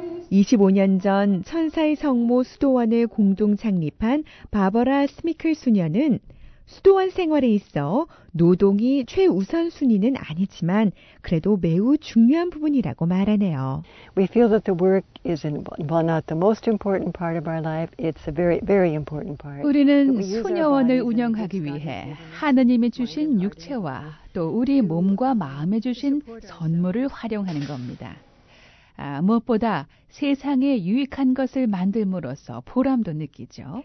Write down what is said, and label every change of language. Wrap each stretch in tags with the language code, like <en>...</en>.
<ko>25년 전 천사의 성모 수도원을 공동 창립한 바버라 스미클 수녀는 수도원 생활에 있어 노동이 최우선순위는 아니지만 그래도 매우 중요한 부분이라고 말하네요.</ko> <en>We feel that the work is not the most important part of our life. It's a very, very important part.</en> <ko>우리는 수녀원을 운영하기 위해 하느님이 주신 육체와 또 우리 몸과 마음에 주신 선물을 활용하는 겁니다. 무엇보다 세상에 유익한 것을 만듦으로써 보람도 느끼죠.</ko>